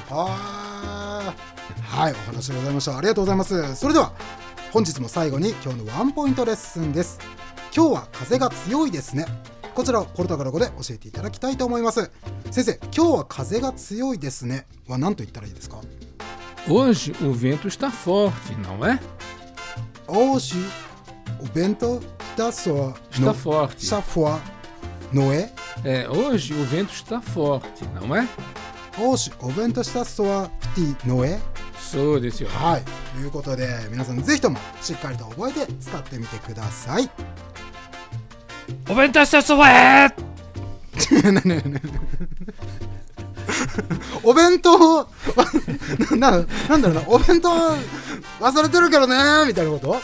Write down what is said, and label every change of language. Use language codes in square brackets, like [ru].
[ja] あー、はい、お話でございました。ありがとうございます。それでは本日も最後に今日のワンポイントレッスンです。今日は風が強いですね。こちらをポルトガル語で教えていただきたいと思います。先生、今日は風が強いですねは何と言ったらいいですか？ [pt] Hoje o vento está forte, não é? Hoje o vento está forte. Está forte. Está forte, não é? É, hoje o vento está forte, não é? Hoje o vento está forte, não é? [ja] そうですよ。はい、ということで皆さんぜひともしっかりと覚えて使ってみてください。お弁当したそばへ。お弁当なんだろうな、お弁当忘れてるからねみたいなこと。